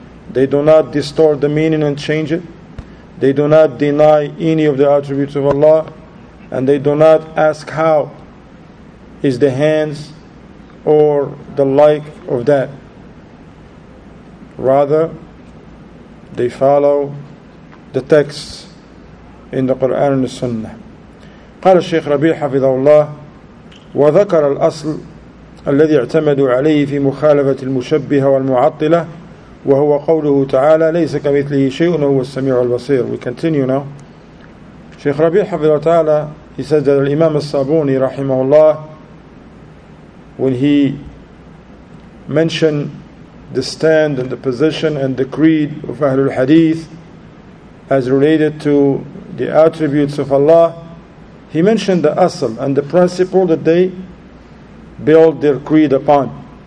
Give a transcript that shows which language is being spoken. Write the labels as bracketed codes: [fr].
[en] They do not distort the meaning and change it. They do not deny any of the attributes of Allah. And they do not ask how is the hands or the like of that. Rather, they follow the texts in the Quran and the Sunnah. [ar] قال الشيخ ربيع حفظه الله وذكر الأصل الذي اعتمدوا عليه في مخالفة المشبهة والمعطلة وهو قوله تعالى ليس كمثله شيء وهو السميع البصير. [en] We continue now. Sheikh Rabi' حفظه تعالى, he says that Imam al-Sabuni رحمه الله, when he mentioned the stand and the position and the creed of Ahlul Hadith as related to the attributes of Allah, he mentioned the asl and the principle that they build their creed upon.